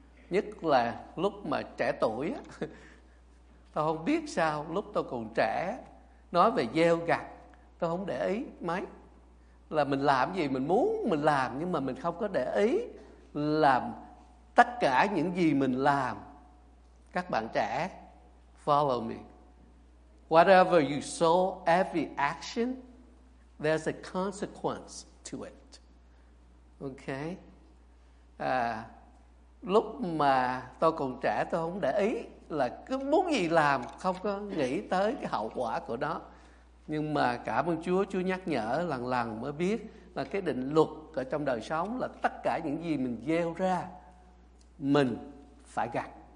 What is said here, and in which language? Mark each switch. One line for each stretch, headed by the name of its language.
Vietnamese: Nhất là lúc mà trẻ tuổi, tôi không biết sao lúc tôi còn trẻ, nói về gieo gặt tôi không để ý mấy. Là mình làm gì mình muốn mình làm, nhưng mà mình không có để ý làm tất cả những gì mình làm. Các bạn trẻ,
English: follow me. Whatever you sow, every action, there's a consequence to it. Okay?
Vietnamese: Lúc mà tôi còn trẻ, tôi không để ý là cứ muốn gì làm, không có nghĩ tới cái hậu quả của nó. Nhưng mà cảm ơn Chúa, Chúa nhắc nhở lần lần mới biết là cái định luật ở trong đời sống là tất cả những gì mình gieo ra, mình phải gặt.